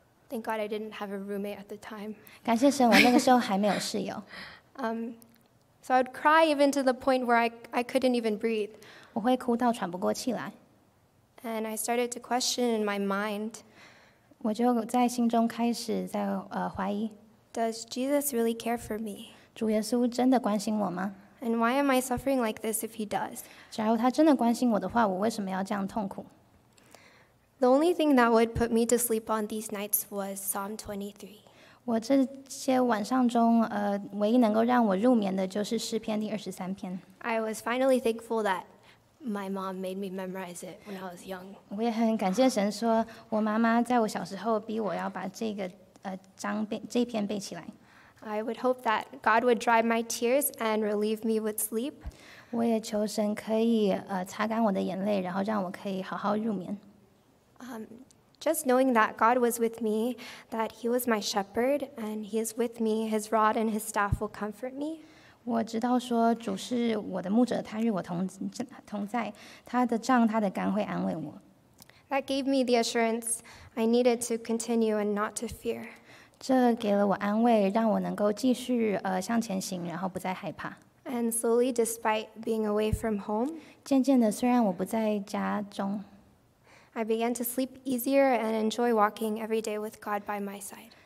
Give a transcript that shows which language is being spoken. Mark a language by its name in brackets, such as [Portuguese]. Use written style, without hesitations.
[English] Thank God I didn't have a roommate at the time. [Chinese] 感谢神，我那个时候还没有室友。 [English] So I'd cry even to the point where I couldn't even breathe. [Chinese] 我会哭到喘不过气来。 [English] And I started to question in my mind. [Chinese] 我就在心中开始在怀疑。 [English] Does Jesus really care for me? [Chinese] 主耶稣真的关心我吗？ [English] And why am I suffering like this if he does? [Chinese] 假如他真的关心我的话，我为什么要这样痛苦？ [English] The only thing that would put me to sleep on these nights was Psalm 23. [Chinese] 我这些晚上中唯一能够让我入眠的就是诗篇第23篇。 [English] I was finally thankful that my mom made me memorize it when I was young. [Chinese] 我也很感谢神说我妈妈在我小时候逼我要把这个章背这篇背起来。 [English] I would hope that God would dry my tears and relieve me with sleep. [Chinese] 我也求神可以擦干我的眼泪，然后让我可以好好入眠。 [English] Just knowing that God was with me, that He was my shepherd, and He is with me, His rod and His staff will comfort me. [Chinese] 我知道说主是我的牧者，他与我同在，他的杖、他的竿会安慰我。 [English] That gave me the assurance I needed to continue and not to fear. [Chinese] 这给了我安慰，让我能够继续向前行，然后不再害怕。 [English] And slowly, despite being away from home, [Chinese] 渐渐的，虽然我不在家中。 [English] I began to sleep easier and enjoy walking every day with God by my side.